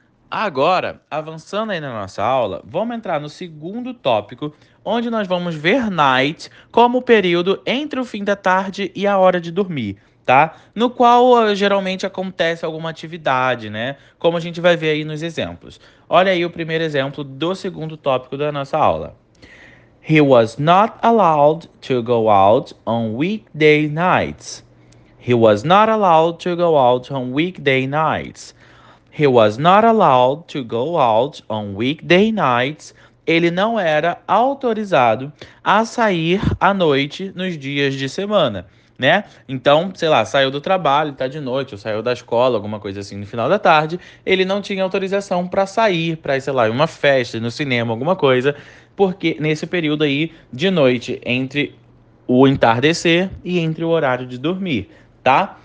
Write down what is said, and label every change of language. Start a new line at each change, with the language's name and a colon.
Portuguese: Agora, avançando aí na nossa aula, vamos entrar no segundo tópico, onde nós vamos ver night como o período entre o fim da tarde e a hora de dormir, tá? No qual geralmente acontece alguma atividade, né? Como a gente vai ver aí nos exemplos. Olha aí o primeiro exemplo do segundo tópico da nossa aula.
English: He was not allowed to go out on weekday nights. He was not allowed to go out on weekday nights. He was not allowed to go out on weekday nights.
Portuguese: Ele não era autorizado a sair à noite nos dias de semana, né? Então, sei lá, saiu do trabalho, tá de noite, ou saiu da escola, alguma coisa assim, no final da tarde, ele não tinha autorização para sair, para, sei lá, em uma festa, no cinema, alguma coisa, porque nesse período aí de noite, entre o entardecer e entre o horário de dormir, tá?